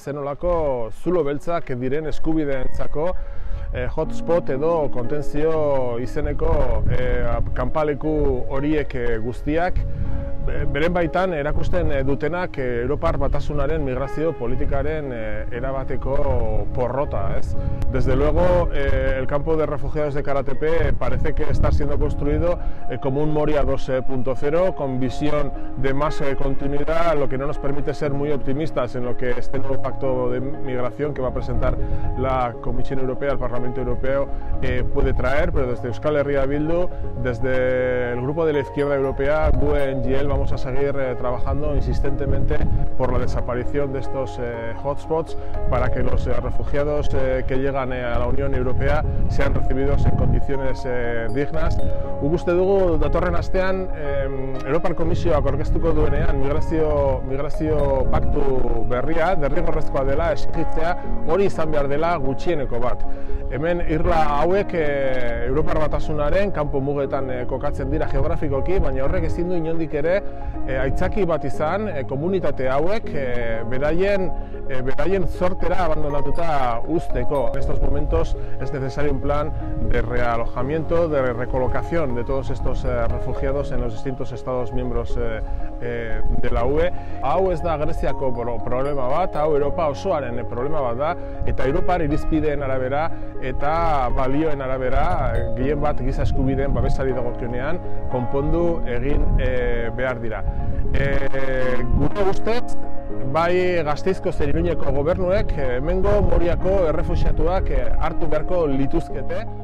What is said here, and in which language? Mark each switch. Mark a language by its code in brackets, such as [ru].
[eu] Zenolako zulo beltzak diren eskubideentzako hotspot edo kontentzio izeneko kanpaleku horiek guztiak beren baitan erakusten dutenak Europar Batasunaren migrazio politikaren erabateko porrota, ¿es? [es] Desde luego, el campo de refugiados de Karatepe parece que está siendo construido como un Moria 2.0 con visión de más continuidad, lo que no nos permite ser muy optimistas en lo que este nuevo pacto de migración que va a presentar la Comisión Europea, el Parlamento Europeo, puede traer, pero desde Euskal Herria Bildu, desde el Grupo de la Izquierda Europea, Guen Yel, vamos a seguir trabajando insistentemente por la desaparición de estos hotspots para que los refugiados que llegan a la Unión Europea sean recibidos en condiciones dignas. [eu] Guk uste dugu datorren astean Europar Komisioak aurkeztuko duenean migrazio paktu berria derrigorrezkoa dela exigitzea, hori izan behar dela gutxieneko bat. Hemen irla hauek Europar Batasunaren kanpo mugetan kokatzen dira geografikoki, baina horrek ezin du inondik ere aitzaki bat izan komunitate hauek beraien zortera abandonatuta uzteko. [es] En estos momentos es necesario un plan de realojamiento, de recolocación de todos estos refugiados en los distintos estados miembros de la UE. [eu] Hau ez da Greziako problema bat, hau Europa osoaren problema bat da, eta Europar irizpideen arabera eta balioen arabera gehien bat giza eskubideen babesari dagokionean konpondu egin behar dira. Gure ustez, bai Gasteizko zein Iruñeko gobernuek hemengo Moriako errefuxiatuak hartu beharko lituzkete.